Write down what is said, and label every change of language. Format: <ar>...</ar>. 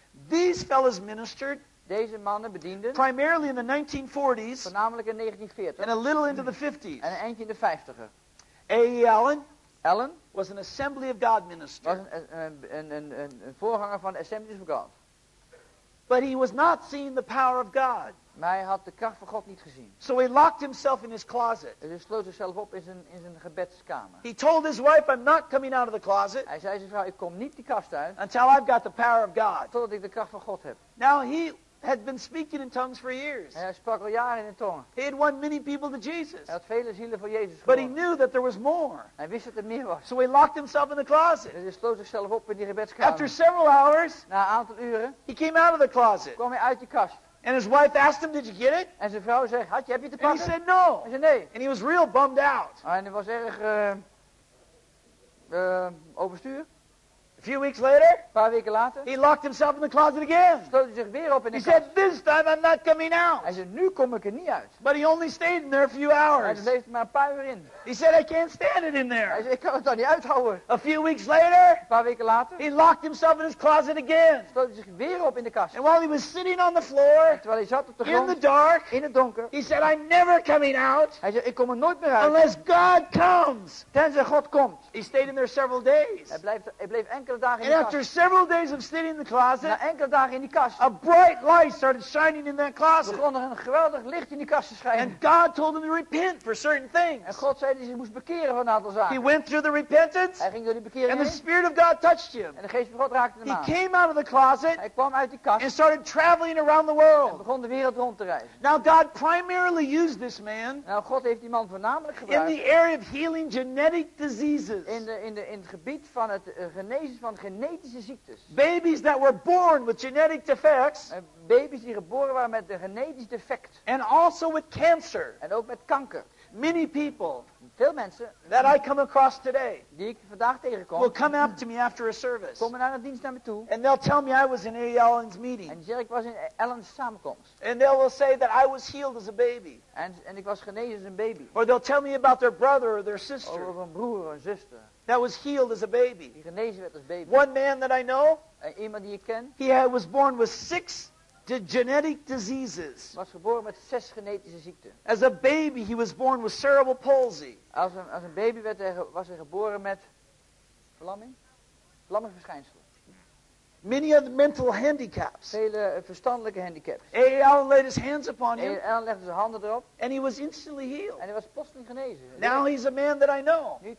<en>These fellows ministered.</en> <nl>Deze mannen bedienden.</nl> <en>Primarily in the 1940s.</en> <nl>Voornamelijk in 1940.</nl> <en>And a little into the 50s.</en> <nl>En een eindje in de 50er.</nl> <en>A.A. Allen.</en> <nl>Allen.</nl> <en>Was an Assembly of God minister.</en> <nl>Was een voorganger van de Assemblies of God.</nl> <en>But he was not seeing the power of God.</en> <nl>Maar hij had de kracht van God niet gezien.</nl> <en>So he locked himself in his closet.</en> <nl>Dus hij sloot zichzelf op in zijn gebedskamer.</nl> <en>He told his wife, I'm not coming out of the closet.</en> <nl>Hij zei zijn vrouw, ik kom niet die kast uit.</nl> <en>Until I've got the power of God.</en> <nl>Totdat ik de kracht van God heb.</nl> <en>Now he had been speaking in tongues for years.</en> <nl>En hij sprak al jaren in tongen.</nl> <en>He had won many people to Jesus.</en> <nl>Hij had vele zielen voor Jezus gewonnen.</nl> <en>But he knew that there was more.</en> <nl>Hij wist dat er meer was.</nl> <en>So he locked himself in the closet.</en> <nl>Dus hij sloot zichzelf op in die gebedskamer.</nl> <en>After several hours,</en> <nl>na een aantal uren,</nl> <en>he came out of the closet.</en> <nl>Kwam hij uit die kast.</nl> <en>And his wife asked him, did you get it?</en> <nl>En zijn vrouw zei, had je, heb je te pakken?</nl> <en>And he said, no.</en> <nl>Hij zei, nee.</nl> <en>And he was real bummed out.</en> <nl>En hij was erg overstuur.</nl> <en>A few weeks later,</en> <nl>een paar weken later,</nl> <en>he locked himself in the closet again.</en> <nl>Sloot hij zich weer op in de kast.</nl> <en>He said, this time I'm not coming out.</en> <nl>Hij zei, nu kom ik er niet uit.</nl> <en>But he only stayed in there a few hours.</en> <nl>Hij bleef maar een paar uur in.</nl> <en>He said, I can't stand it in there.</en> <nl>Hij zei, ik kan het dan niet uithouden.</nl> <en>A few weeks later,</en> <nl>een paar weken later,</nl> <en>he locked himself in his closet again.</en> <nl>Sloot hij zich weer op in de kast.</nl> <en>And while he was sitting on the floor,</en> <nl>en terwijl hij zat op de grond,</nl> <en>in the dark,</en> <nl>in het donker,</nl> <en>he said, I'm never coming out.</en> <nl>Hij zei, ik kom er nooit meer uit.</nl> <en>Unless God comes.</en> <nl>Tenzij God komt.</nl> <en>He stayed in there several days.</en> <nl>Hij bleef enkele</nl> <en>And after several days of sitting in the closet,</en> <nl>na enkele dagen in die kast,</nl> <en>a bright light started shining in that closet.</en> <nl>Begon er een geweldig licht in die kast te schijnen.</nl> <en>And God told him to repent for certain things.</en> <nl>En God zei dat hij moest bekeren van een aantal zaken.</nl> <en>He went through the repentance.</en> <nl>Hij ging door die bekering</nl> <en>And</en> <nl>heen.</nl> <en>The Spirit of God touched him.</en> <nl>En de geest van God raakte hem aan.</nl> <en>He came out of the closet.</en> <nl>Hij kwam uit die kast.</nl> <en>And started traveling around the world.</en> <nl>En begon de wereld rond te reizen.</nl> <en>Now God primarily used this man.</en> <nl>Nou, God heeft die man voornamelijk gebruikt.</nl> <en>In the area of healing genetic diseases.</en> <nl>In het gebied van het genezen van genetische ziektes.</nl> <en>Babies that were born with genetic defects.</en> <nl>Baby's die geboren waren met een genetisch defect.</nl> <en>And also with cancer.</en> <nl>En ook met kanker.</nl> <en>Many people.</en> <nl>Veel mensen.</nl> <en>That I come across today.</en> <nl>Die ik vandaag tegenkom.</nl> <en>Will come up to me after a service.</en> <nl>Komen naar een dienst naar me toe.</nl> <en>And they'll tell me I was in A. Allen's meeting.</en> <nl>En zeg ik was in Allen's samenkomst.</nl> <en>And they will say that I was healed as a baby.</en> <nl>En ik was genezen als een baby.</nl> <en>Or they'll tell me about their brother or their sister.</en> <nl>Over een broer of een zuster.</nl> <en>That was healed as a baby.</en> <nl>Die genezen werd als baby.</nl> <en>One man that I know.</en> <nl>Iemand die ik ken.</nl> <en>He was born with six genetic diseases.</en> <nl>Was geboren met zes genetische ziekten.</nl> <en>As a baby, he was born with cerebral palsy.</en> <nl>Als een baby werd hij, was hij geboren met verlamming, verschijnselen.</nl> <en>Many of the mental handicaps.</en> <nl>Vele verstandelijke handicaps.</nl> <en>A. Allen laid his hands upon him. A.</en> <nl>Allen legde zijn handen erop.</nl> <en>And he was instantly healed.</en> <nl>En hij was plotseling genezen.</nl> <en>Now he's a man that I know.</en>